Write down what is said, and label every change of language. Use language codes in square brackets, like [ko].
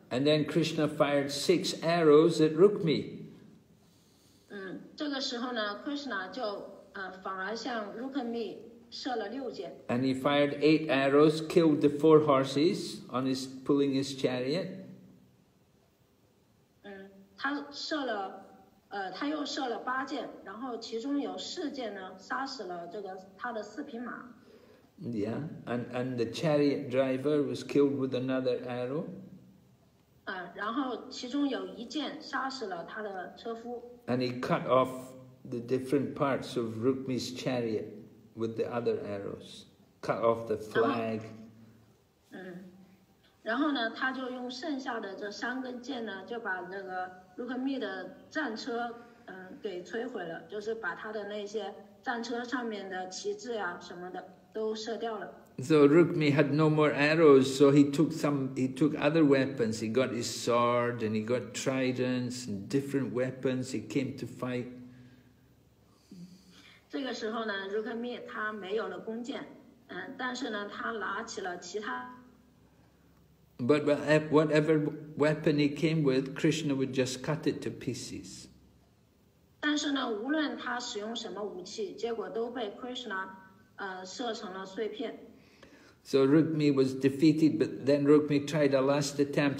[en] And then Krishna fired six arrows at Rukmi. [zh] 这个时候呢 ，Krishna 就反而向 Rukmi 射了六箭。 [en] And he fired eight arrows, killed the four horses on his pulling his chariot. [zh] 他射了，他又射了八箭，然后其中有四箭呢，杀死了这个他的四匹马。 [en] Yeah, and the chariot driver was killed with another arrow. [zh] 然后其中有一件杀死了他的车夫。 [en] And he cut off the different parts of Rukmi's chariot with the other arrows. Cut off the flag. [zh] 然后呢，他就用剩下的这三根剑呢，就把那个 Rukmi 的战车，给摧毁了，就是把他的那些战车上面的旗帜呀、什么的都射掉了。 [en] So Rukmi had no more arrows, so he took other weapons. He got his sword and he got tridents and different weapons. He came to fight. [zh] 这个时候呢 ，Rukmi 他没有了弓箭，但是呢，他拿起了其他。 [en] But whatever weapon he came with, Krishna would just cut it to pieces. [zh] 但是呢，无论他使用什么武器，结果都被 Krishna, 射成了碎片。 [en] So Rukmi was defeated, but then Rukmi tried a last attempt.